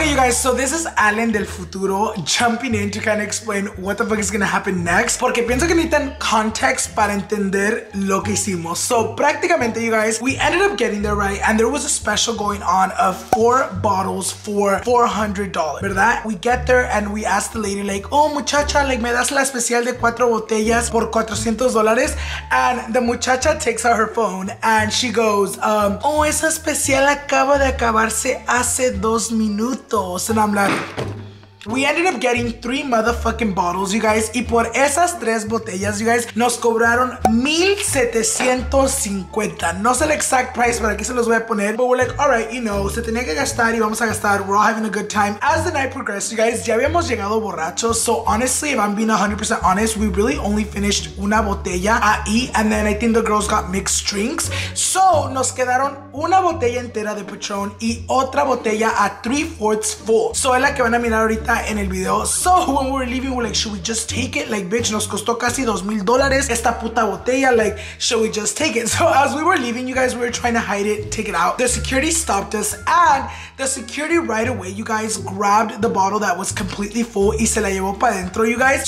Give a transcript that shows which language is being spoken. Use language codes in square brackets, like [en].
[en] so this is Alan del Futuro jumping in to kind of explain what the fuck is gonna happen next. [es] Porque pienso que necesitan context para entender lo que hicimos. [en] So practically, you guys, we ended up getting there, right? And there was a special going on of 4 bottles for $400, ¿verdad? We get there and we ask the lady, like, oh, muchacha, like, [es] me das la especial de 4 botellas por $400? [en] And the muchacha takes out her phone and she goes, oh, [es] esa especial acaba de acabarse hace 2 minutos. [en] And I'm like, we ended up getting 3 motherfucking bottles, you guys. [es] Y por esas 3 botellas, [en] you guys, [es] nos cobraron 1,750. No sé el [en] exact price, [es] pero aquí se los voy a poner. [en] But we're like, all right, you know, [es] se tenía que gastar y vamos a gastar. [en] We're all having a good time. As the night progressed, you guys, [es] ya habíamos llegado borrachos. [en] So honestly, if I'm being 100% honest, we really only finished [es] una botella ahí. [en] And then I think the girls got mixed drinks. [es] So nos quedaron una botella entera de Patron y otra botella a 3/4 full. So es la que van a mirar ahorita en el video. [en] So when we were leaving, we're like, should we just take it? Like, bitch, [es] nos costó casi $2,000 esta puta botella. [en] Like, should we just take it? So as we were leaving, you guys, we were trying to hide it, take it out. The security stopped us, and the security right away, you guys, grabbed the bottle that was completely full [es] y se la llevó para adentro, [en] you guys.